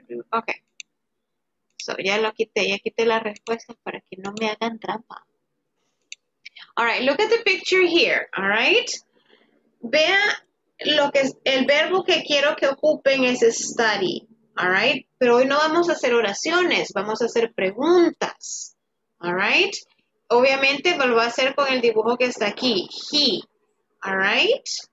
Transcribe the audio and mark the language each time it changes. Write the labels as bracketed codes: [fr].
[es] Okay. So ya lo quité, ya quité las respuestas para que no me hagan trampa. [en] All right, look at the picture here, all right? [es] Vea lo que es el verbo que quiero que ocupen es study, [en] all right? [es] Pero hoy no vamos a hacer oraciones, vamos a hacer preguntas. [en] All right? [es] Obviamente lo va a hacer con el dibujo que está aquí, he. [en] All right?